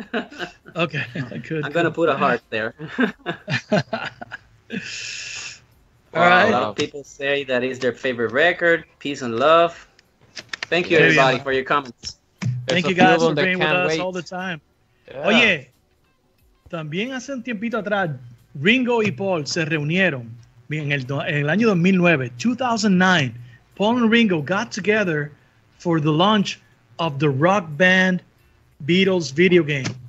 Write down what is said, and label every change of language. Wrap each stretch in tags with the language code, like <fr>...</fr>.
<en>Okay. I'm going to put a heart there. All right. A lot of people say that is their favorite record, Peace and Love. Thank you, everybody, for your comments. Thank you, guys, for being with us all the time. Yeah.</en> <es>Oye, también hace un tiempito atrás, Ringo y Paul se reunieron en el año 2009.</es> <en>2009, Paul and Ringo got together for the launch of the rock band Beatles video game.</en>